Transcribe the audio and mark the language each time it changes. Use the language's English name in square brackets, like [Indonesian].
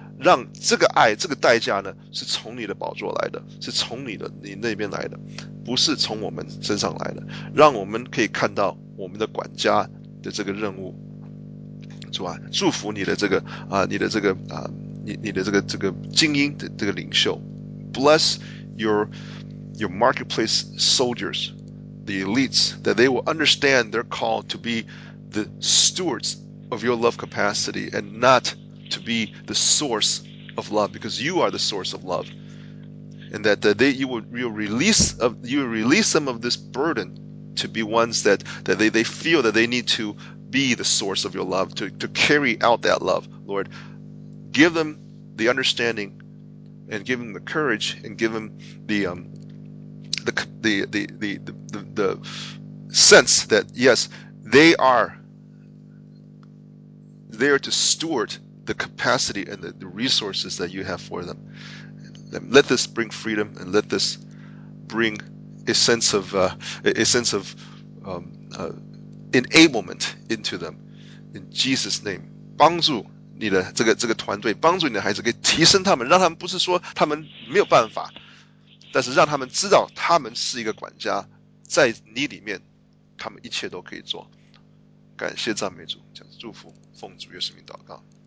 [Chinese] 让这个爱这个代价呢是从你的宝座来的，是从你那边来的，不是从我们身上来的。让我们可以看到我们的管家的这个任务。主啊，祝福你的这个你的这个精英的这个领袖。 [English] Bless your marketplace soldiers, the elites, that they will understand their call to be the stewards of your love capacity and not to be the source of love, because you are the source of love, and that you will release them of this burden to be ones that they feel that they need to be the source of your love, to carry out that love. Lord, give them the understanding and give them the courage and give them the sense that yes, they are to steward the capacity and the resources that you have for them. Let this bring freedom, and let this bring a sense of enablement into them. In Jesus' name, [Chinese] 帮助你的这个团队，帮助你的孩子，可以提升他们，让他们不是说他们没有办法，但是让他们知道他们是一个管家，在你里面，他们一切都可以做。感谢赞美主，这样祝福，奉主耶稣名祷告。